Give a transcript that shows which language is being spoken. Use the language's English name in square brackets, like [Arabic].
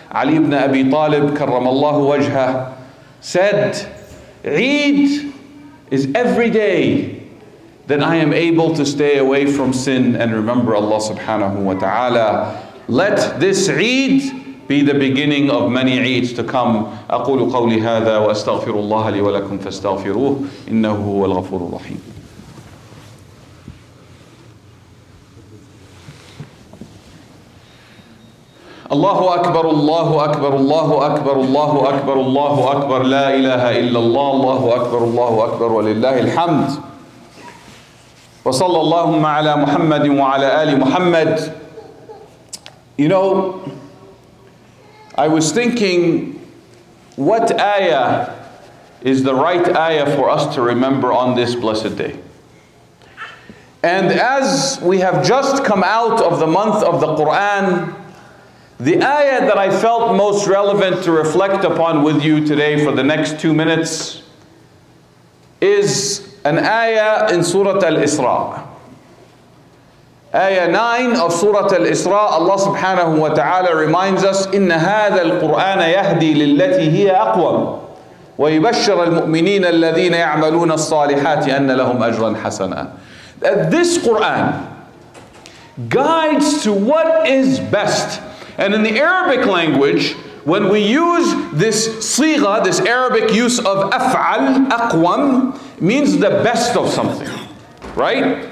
[English] Ali ibn Abi Talib, karramallahu wajha, said, Eid is every day that I am able to stay away from sin and remember Allah subhanahu wa ta'ala. Let this Eid be the beginning of many Eids to come. [Arabic] أقول قولي هذا وأستغفر الله لي ولكم فاستغفروه إنه هو الغفور الرحيم. الله أكبر الله أكبر الله أكبر الله أكبر الله أكبر لا إله إلا الله الله أكبر الله أكبر ولله الحمد وصلى الله على محمد وعلى آل محمد. [English] You know, I was thinking, what ayah is the right ayah for us to remember on this blessed day? And as we have just come out of the month of the Qur'an, the ayah that I felt most relevant to reflect upon with you today for the next 2 minutes is an ayah in Surah Al-Isra. Ayah 9 of Surah Al-Isra, Allah subhanahu wa ta'ala reminds us, [Arabic] إِنَّ هَذَا الْقُرْآنَ يَهْدِي لِلَّتِي هِيَ أَقْوَمُ وَيُبَشِّرَ الْمُؤْمِنِينَ الَّذِينَ يَعْمَلُونَ الصَّالِحَاتِ أَنَّ لَهُمْ أَجْرًا حَسَنًا. [English] That this Qur'an guides to what is best. And in the Arabic language, when we use this sigha, this Arabic use of أَفْعَلْ أَقْوَم, means the best of something. Right?